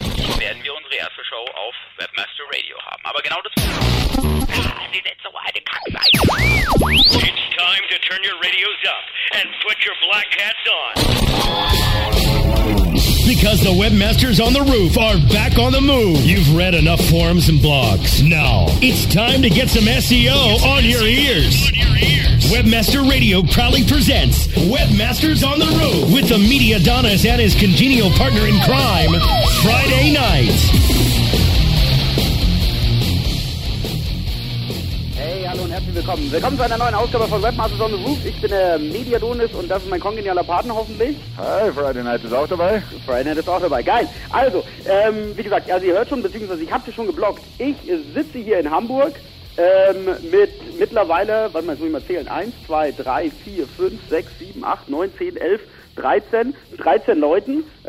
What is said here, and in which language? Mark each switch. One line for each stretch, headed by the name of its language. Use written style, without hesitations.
German: Claudio und Reasso Show auf Webmaster Radio haben. Aber genau das.
English: It's time to turn your radios up and put your black hats on. Because the webmasters on the roof are back on the move. You've read enough forums and blogs. Now, it's time to get some SEO on your ears. Webmaster Radio proudly presents Webmasters on the Roof with the media Donis and his congenial partner in crime, Friday night.
German: Herzlich willkommen. Willkommen zu einer neuen Ausgabe von Webmasters on the Roof. Ich bin der Mediadonis und das ist mein kongenialer Partner hoffentlich. Hi, Friday Night ist auch dabei. Friday Night ist auch dabei. Geil. Also, wie gesagt, also ihr hört schon, beziehungsweise ich habe dir schon geblockt. Ich sitze hier in Hamburg mit mittlerweile, warte mal, jetzt muss ich mal zählen, 1, 2, 3, 4, 5, 6, 7, 8, 9, 10, 11, 13 Leuten.